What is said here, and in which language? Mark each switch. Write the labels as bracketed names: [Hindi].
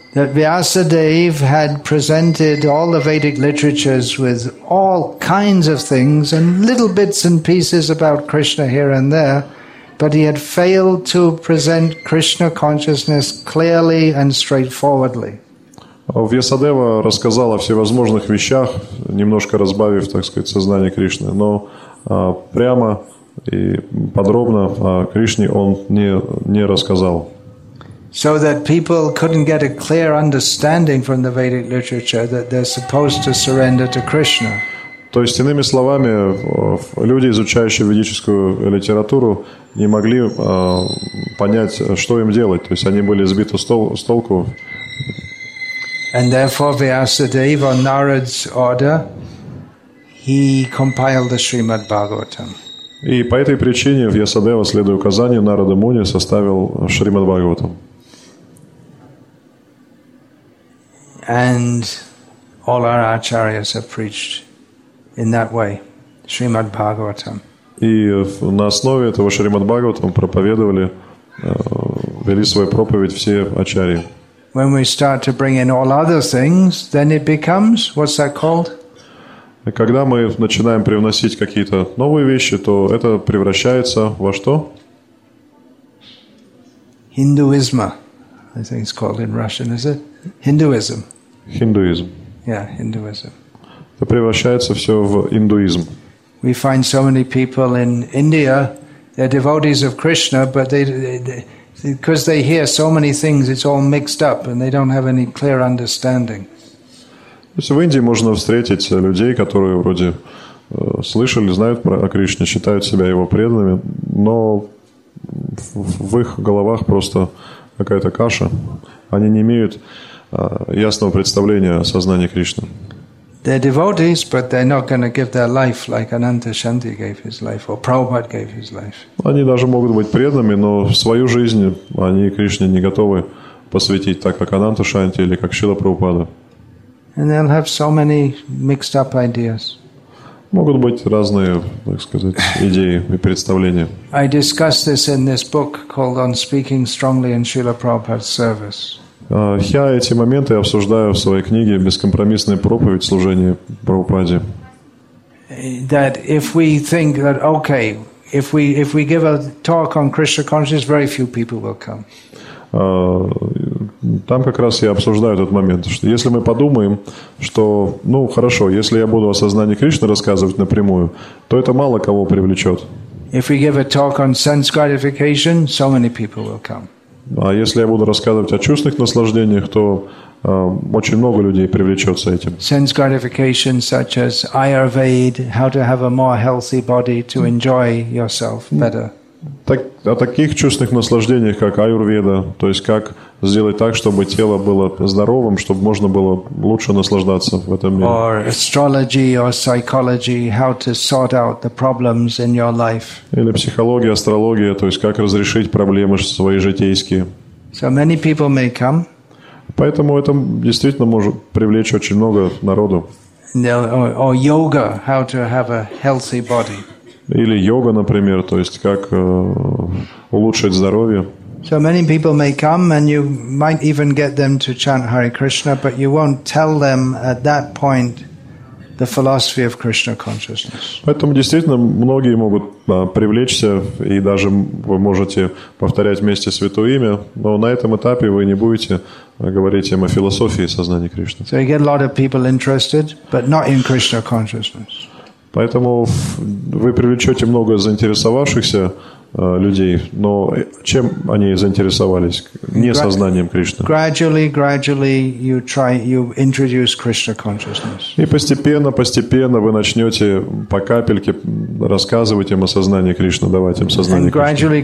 [English] That Vyasadeva had presented all the Vedic literatures with all kinds of things and little bits and pieces about Krishna here and there. But he had failed to present Krishna consciousness clearly and straightforwardly. [Russian] Vyasadeva рассказал о всевозможных вещах, немножко разбавив, так сказать, сознание Кришны, но прямо и подробно о Кришне он не рассказал. [English] So that people couldn't get a clear understanding from the Vedic literature that they're supposed to surrender to Krishna. [Russian] То есть, иными словами, люди, изучающие ведическую литературу, не могли понять, что им делать. То есть, они были сбиты с толку. [English] And therefore, Vyasadeva, on Narad's order, he compiled the Srimad Bhagavatam. [Russian] И по этой причине Vyasadeva, следуя указанию Narada Muni, составил Шримад Бхагаватам. [English] And all our acharyas have preached in that way, Srimad Bhagavatam. [Russian] И на основе этого Шримад Бхагаватам проповедовали, вели свою проповедь все ачарьи. [English] When we start to bring in all other things, then it becomes, what's that called? [Russian] Когда мы начинаем привносить какие-то новые вещи, то это превращается во что? [English] Hinduism. I think it's called in Russian, is it? Hinduism. Hinduism. Yeah, Hinduism. [Russian] Это превращается все в индуизм. [English] We find so many people in India, they're devotees of Krishna, but they because they hear so many things, it's all mixed up and they don't have any clear understanding. [Russian] То есть в Индии можно встретить людей, которые вроде слышали, знают о Кришне, считают себя его преданными, но в их головах просто какая-то каша. Они не имеют ясного представления о сознании Кришны. [English] They're devotees, but they're not going to give their life like Ananta Shanti gave his life or Prabhupada gave his life. [Russian] Они даже могут быть преданными, но свою жизнь они Кришне не готовы посвятить, так как Ананта Шанти или как Шрила Прабхупада. [English] And they'll have so many mixed up ideas. [Russian] Могут быть разные, так сказать, идеи и представления. [English] I discuss this in this book called On Speaking Strongly in Srila Prabhupada's Service. [Russian] Я эти моменты обсуждаю в своей книге «Бескомпромиссная проповедь служения Прабхупаде». [English] That if we think that okay, if we give a talk on Krishna consciousness, very few people will come. [Russian] Там как раз я обсуждаю этот момент, что если мы подумаем, что, ну, хорошо, если я буду о сознании Кришны рассказывать напрямую, то это мало кого привлечет. [English] If we give a talk on sense gratification, so many people will come. [Russian] А если я буду рассказывать о чувственных наслаждениях, то очень много людей привлечется этим. [English] Sense gratification, such as Ayurveda, how to have a more healthy body to enjoy yourself better. [Russian] Так, о таких чувственных наслаждениях, как Аюрведа, то есть как сделать так, чтобы тело было здоровым, чтобы можно было лучше наслаждаться в этом мире. [English] Or astrology or psychology, how to sort out the problems in your life. [Russian] Или психология, астрология, то есть как разрешить проблемы свои житейские. [English] So many people may come. [Russian] Поэтому это действительно может привлечь очень много народу. [English] Or yoga, how to have a healthy body. [Russian] Или йога, например, то есть как улучшить здоровье. [English] So many people may come and you might even get them to chant Hare Krishna, but you won't tell them at that point the philosophy of Krishna consciousness. [Russian] Поэтому действительно многие могут привлечься, и даже вы можете повторять вместе святое имя, но на этом этапе вы не будете говорить им о философии сознания Кришны. [English] So you get a lot of people interested, but not in Krishna consciousness. [Russian] Поэтому вы привлечете много заинтересовавшихся людей, но чем они заинтересовались? Не сознанием Кришны. [English] Gradually you introduce Krishna consciousness. [Russian] И постепенно вы начнете по капельке рассказывать им о сознании Кришны, давать им сознание Кришны.